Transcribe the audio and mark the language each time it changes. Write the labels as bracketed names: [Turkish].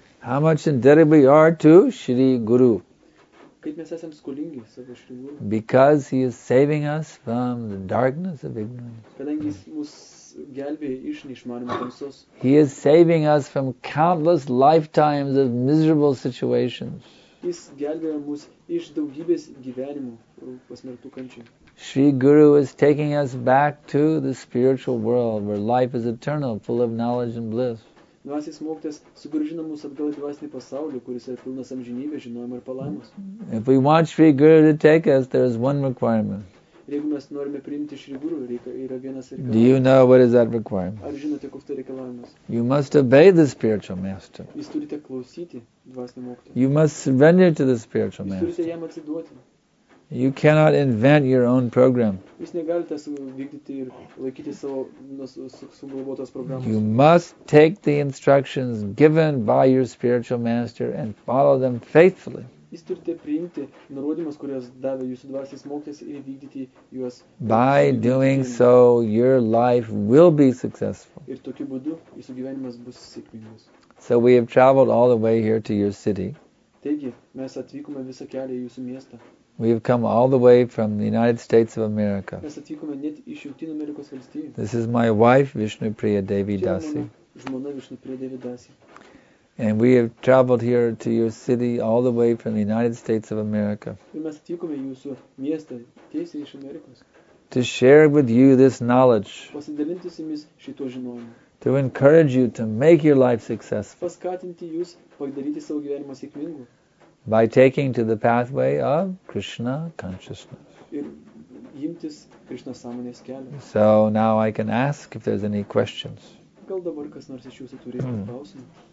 [English] How much indebted we are to Shri Guru. [Lithuanian] Kaip mes esam skolingi savo Shri Guru. [English] Because he is saving us from the darkness of ignorance. [Lithuanian] Kadangi jis mus gelbėja iš neišmanimo tamsos. [English] He is saving us from countless lifetimes of miserable situations. [Lithuanian] Jis gelbėja mus iš daugybės gyvenimų pasmerktų kančių. [English] Shri Guru is taking us back to the spiritual world where life is eternal, full of knowledge and bliss. [Lithuanian] Dvasinis mokytojas sugrįžina mus atgal į dvasinį pasaulį, kuris yra pilnas amžinybės, žinojimo ir palaimos. [English] If we want Shri Guru to take us, there is one requirement. [Lithuanian] Jeigu mes norime priimti Shri Guru, yra vienas reikalavimas. [English] Do you know what is that requirement? [Lithuanian] Ar žinote, koks tai reikalavimas? [English] You must obey the spiritual master. [Lithuanian] Jūs turite klausyti dvasinį mokytoją. [English] You must surrender to the spiritual master. [Lithuanian] Jūs turite jam atsiduoti. [English] You cannot invent your own program. [Lithuanian] Jūs negalite vykdyti ir laikyti savo sugalvotos programos. [English] You must take the instructions given by your spiritual master and follow them faithfully. [Lithuanian] Jūs turite priimti nurodymus, kuriuos davė jūsų dvasinis mokytojas ir vykdyti juos. [English] By doing so, your life will be successful. [Lithuanian] Ir tokiu būdu jūsų gyvenimas bus sėkmingas. [English] So we have traveled all the way here to your city. [Lithuanian] Taigi, mes atvykome visą kelią į jūsų miestą. [English] We have come all the way from the United States of America. [Lithuanian] Mes atvykome net iš Jungtinių Amerikos valstijų. [English] This is my wife, Vishnupriya Devi Dasi. [Lithuanian] Žmona Vishnupriya Devi Dasi. [English] And we have traveled here to your city all the way from the United States of America. [Lithuanian] Ir mes atvykome į jūsų miestą tiesiai iš Amerikos. [English] To share with you this knowledge. [Lithuanian] Pasidalinti su jumis šito žinojimo. [English] To encourage you to make your life successful. [Lithuanian] Paskatinti jūs padaryti savo gyvenimą sėkmingu. [English] By taking to the pathway of Krishna consciousness. [Lithuanian] Ir imtis Krishna sąmonės kelio. [English] So now I can ask if there's any questions. [Lithuanian] Gal dabar kas nors iš jūsų turi klausimų?